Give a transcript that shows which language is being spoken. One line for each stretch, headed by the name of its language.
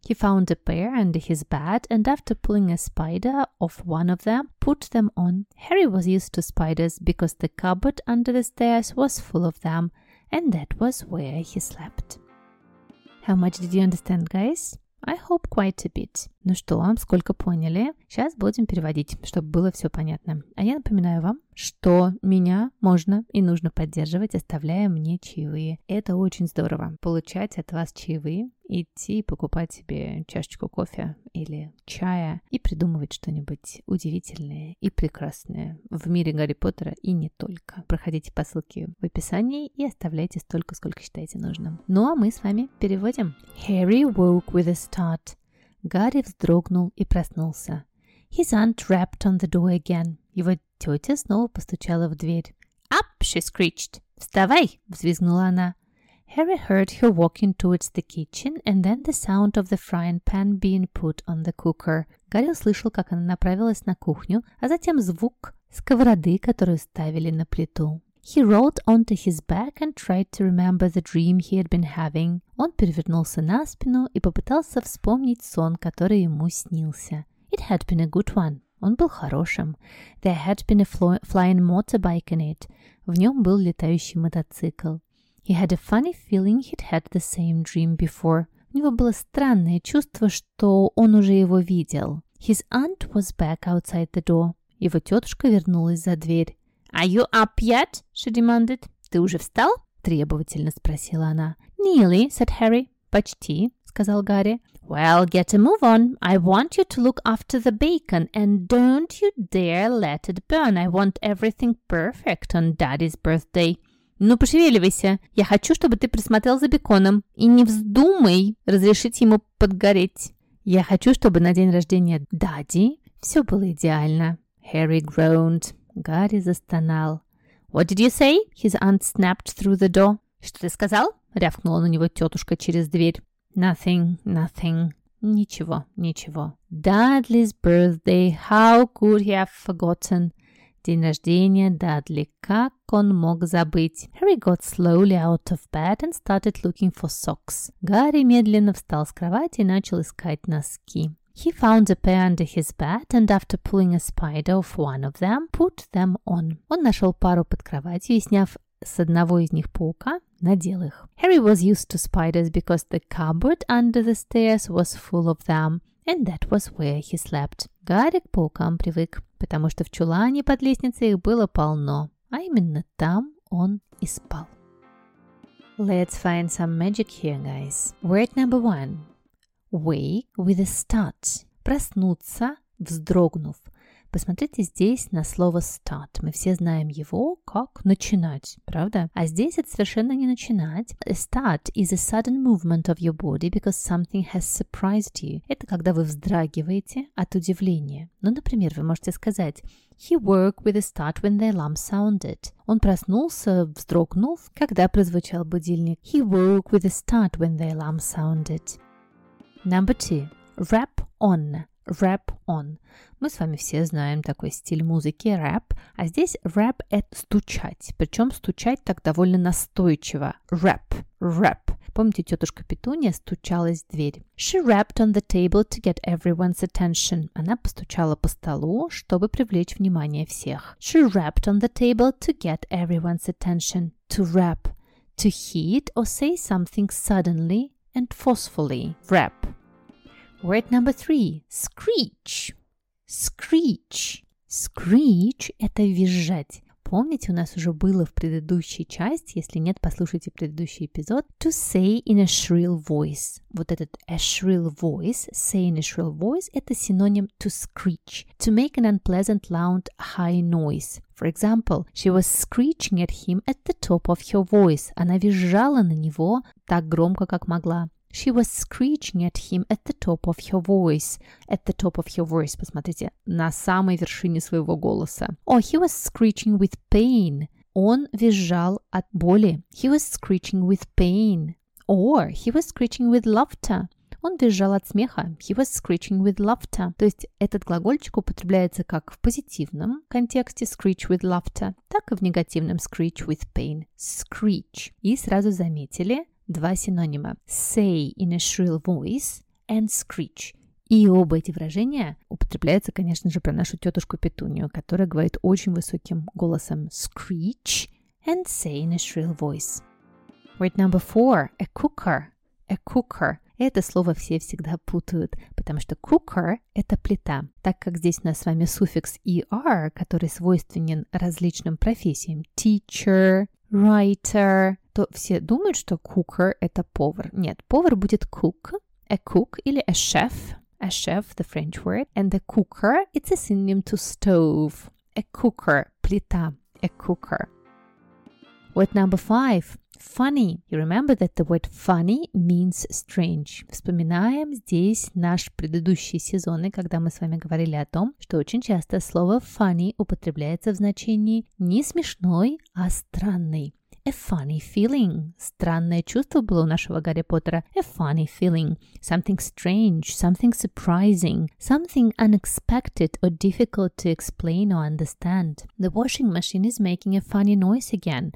English: He found a pair under his bed and after pulling a spider off one of them, put them on. Harry was used to spiders because the cupboard under the stairs was full of them and that was where he slept. How much did you understand, guys? I hope quite a bit.
Russian: Ну что, сколько поняли? Сейчас будем переводить, чтобы было все понятно. А я напоминаю вам, что меня можно и нужно поддерживать, оставляя мне чаевые. Это очень здорово. Получать от вас чаевые, идти покупать себе чашечку кофе или чая и придумывать что-нибудь удивительное и прекрасное в мире Гарри Поттера и не только. Проходите по ссылке в описании и оставляйте столько, сколько считаете нужным. Ну а мы с вами переводим.
English: Harry woke with a start.
Russian: Гарри вздрогнул и проснулся.
English: His aunt rapped on the door again.
Russian: Его тетя снова постучала в дверь.
English: Up! She screeched.
Russian: Вставай! Взвизгнула она.
English: Harry heard her walking towards the kitchen and then the sound of the frying pan being put on the cooker.
Russian: Гарри услышал, как она направилась на кухню, а затем звук сковороды, которую ставили на плиту.
English: He rolled onto his back and tried to remember the dream he had been having.
Russian: Он перевернулся на спину и попытался вспомнить сон, который ему снился.
English: It had been a good one.
Russian: Он был хорошим.
English: There had been a flying motorbike in it.
Russian: В нем был летающий мотоцикл.
English: He had a funny feeling he'd had the same dream before.
Russian: У него было странное чувство, что он уже его видел.
English: His aunt was back outside the door.
Russian: Его тетушка вернулась за дверь.
English: «Are you up yet?» – she demanded.
Russian: «Ты уже встал?» – требовательно спросила она.
English: «Nearly», – said Harry.
Russian: «Почти», – сказал Гарри.
English: «Well, get a move on. I want you to look after the bacon, and don't you dare let it burn. I want everything perfect on Daddy's birthday».
Russian: «Ну, пошевеливайся. Я хочу, чтобы ты присмотрел за беконом. И не вздумай разрешить ему подгореть». «Я хочу, чтобы на день рождения Дадди все было идеально».
English: Harry groaned.
Russian: Гарри застонал.
English: «What did you say?» His aunt snapped through the door.
Russian: «Что ты сказал?» Рявкнула на него тетушка через дверь.
English: «Nothing».
Russian: «Ничего, ничего».
English: «Dudley's birthday. How could he have forgotten?»
Russian: День рождения Дадли. Как он мог забыть?
English: Harry got slowly out of bed and started looking for socks.
Russian: Гарри медленно встал с кровати и начал искать носки.
English: He found a pair under his bed and after pulling a spider off one of them, put them on.
Russian: Он нашел пару под кроватью и, сняв с одного из них паука, надел их.
English: Harry was used to spiders because the cupboard under the stairs was full of them, and that was where he slept.
Russian: Гарри к паукам привык, потому что в чулане под лестницей их было полно, а именно там он и спал.
English: Let's find some magic here, guys. Word number one. Wake with a start.
Russian: Проснуться, вздрогнув. Посмотрите здесь на слово start. Мы все знаем его как начинать, правда? А здесь это совершенно не начинать.
English: A start is a sudden movement of your body because something has surprised you.
Russian: Это когда вы вздрагиваете от удивления. Ну, например, вы можете сказать
English: He woke with a start when the alarm sounded.
Russian: Он проснулся, вздрогнув, когда прозвучал будильник.
English: He woke with a start when the alarm sounded. Number two. Rap on. Rap on.
Russian: Мы с вами все знаем такой стиль музыки рэп, а здесь рэп – это стучать, причем стучать так довольно настойчиво. Рэп, рэп. Помните, тетушка Петунья стучалась в дверь?
English: She rapped on the table to get everyone's attention.
Russian: Она постучала по столу, чтобы привлечь внимание всех.
English: She rapped on the table to get everyone's attention. To rap. To hit or say something suddenly and forcefully. Rap. Word number three. Screech. Screech.
Russian: Screech – это визжать. Помните, у нас уже было в предыдущей части, если нет, послушайте предыдущий эпизод.
English: To say in a shrill voice.
Russian: Вот этот
English: a shrill voice, say in a shrill voice –
Russian: это синоним
English: to screech. To make an unpleasant loud high noise. For example, she was screeching at him at the top of her voice.
Russian: Она визжала на него так громко, как могла.
English: She was screeching at him at the top of her voice. At the top of her voice.
Russian: Посмотрите, на самой вершине своего голоса.
English: Oh, he was screeching with pain.
Russian: Он визжал от боли.
English: He was screeching with pain. Or he was screeching with laughter.
Russian: Он визжал от смеха.
English: He was screeching with laughter.
Russian: То есть этот глагольчик употребляется как в позитивном контексте
English: screech with laughter,
Russian: так и в негативном
English: screech with pain. Screech.
Russian: И сразу заметили, два синонима –
English: say in a shrill voice and screech.
Russian: И оба эти выражения употребляются, конечно же, про нашу тетушку Петунью, которая говорит очень высоким голосом
English: screech and say in a shrill voice. Word number four – a cooker. A cooker.
Russian: Это слово все всегда путают, потому что cooker – это плита. Так как здесь у нас с вами суффикс er, который свойственен различным профессиям – teacher, writer – то все думают, что cooker – это повар. Нет, повар будет
English: cook, a cook
Russian: или
English: a chef – the French word, and a cooker – it's a synonym to stove. A cooker – плита, a cooker. Word number five – funny. You remember that the word funny means strange.
Russian: Вспоминаем здесь наш предыдущий сезон, когда мы с вами говорили о том, что очень часто слово funny употребляется в значении не смешной, а странный.
English: A funny feeling.
Russian: Странное чувство было у нашего Гарри Поттера.
English: A funny feeling. Something strange, something surprising, something unexpected or difficult to explain or understand. The washing machine is making a funny noise again.